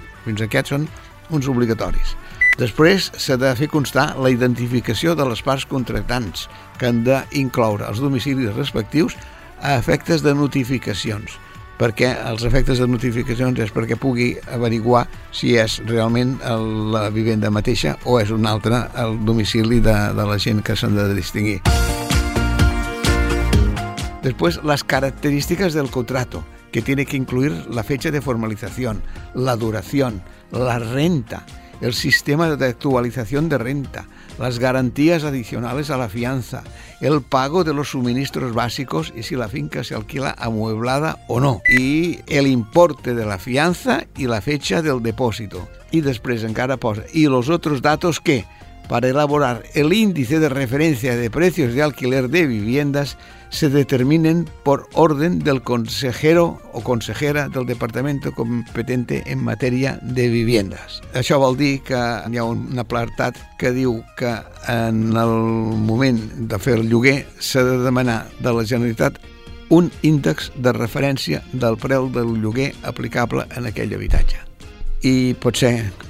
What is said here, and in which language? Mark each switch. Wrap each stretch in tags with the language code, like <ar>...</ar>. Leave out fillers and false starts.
<ca>Fins aquests són uns obligatoris. Després s'ha de fer constar la identificació de les parts contractants, que han d'incloure els domicilis respectius a efectes de notificacions, perquè els efectes de notificacions és perquè pugui averiguar si és realment la vivenda mateixa o és un altre el domicili de la gent que s'han de distingir. Després, les característiques del</ca> <es>contrato, que tiene que incluir la fecha de formalización, la duración, la renta, el sistema de actualización de renta, las garantías adicionales a la fianza, el pago de los suministros básicos y si la finca se alquila amueblada o no, y el importe de la fianza y la fecha del depósito. Y después</es> <ca>encara posa,</ca> <es>y los otros datos que, para elaborar el índice de referencia de precios de alquiler de viviendas, se determinen por orden del consejero o consejera del departamento competente en materia de viviendas.</es> <ca>Això vol dir que hi ha un apartat que diu que en el moment de fer el lloguer s'ha de demanar de la Generalitat un índex de referència del preu del lloguer aplicable en aquell habitatge. I potser</ca>